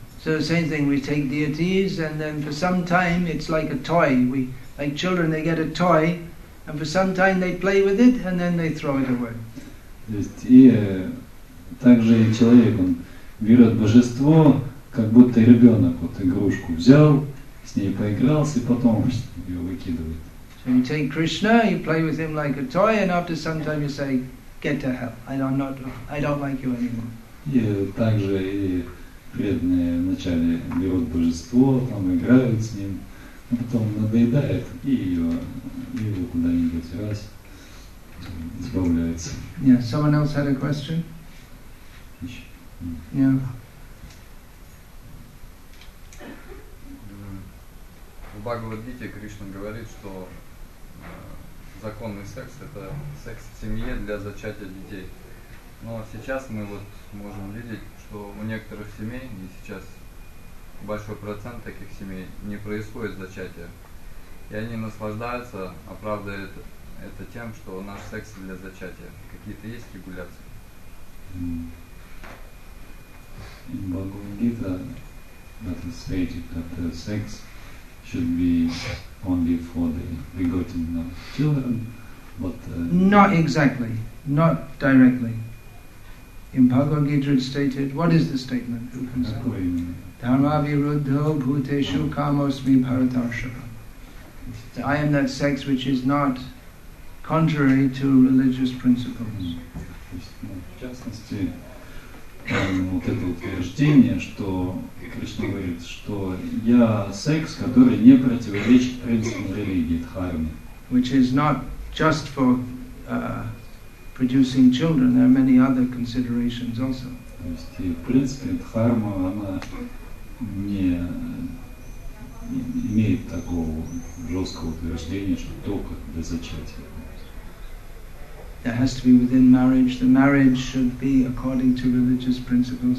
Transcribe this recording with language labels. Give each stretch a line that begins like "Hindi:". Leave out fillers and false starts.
English: So the same thing, we take deities, and then for some time it's like a toy. We, like children, they get a toy, and for some time they play with it, and then they throw it away.
Russian: То есть, и также и человек, он берет божество, как будто ребенок, вот игрушку взял, с ней поигрался, и потом ее выкидывает.
English: So you take Krishna, you play with him like a toy, and after some time you say, get to hell, I don't like you anymore.
Russian: И также и преданные вначале берут божество, там играют с ним, а потом надоедает, и его куда-нибудь раз избавляется.
English: Yeah, someone else had a question? Yeah.
Russian: В Бхагавад-гите Кришна говорит, что законный секс – это секс в семье для зачатия детей. Но сейчас мы вот можем видеть, что у некоторых семей, и сейчас большой процент таких семей, не происходит зачатия. И они наслаждаются, оправдывают это тем, что наш секс для зачатия. Какие-то есть регуляции?
English: in Bhagavad Gita that is stated that the sex should be only for the begotten of children, but not exactly, not directly. In Bhagavad Gita it's stated, what is the statement? Who can say?
Sanskrit: Dharma viruddho bhuteshu kamosmi paratarshava.
English: I am that sex which is not contrary to religious principles.
Russian: В частности, вот это утверждение, что Кришна говорит, что я секс, который не противоречит принципам религии, дхарме.
English: Which is not just for producing children, there are many other considerations also.
Russian: То есть, в принципе, дхарма, она не имеет такого жесткого утверждения, что только для зачатия.
English: That has to be within marriage. The marriage should be according to religious principles.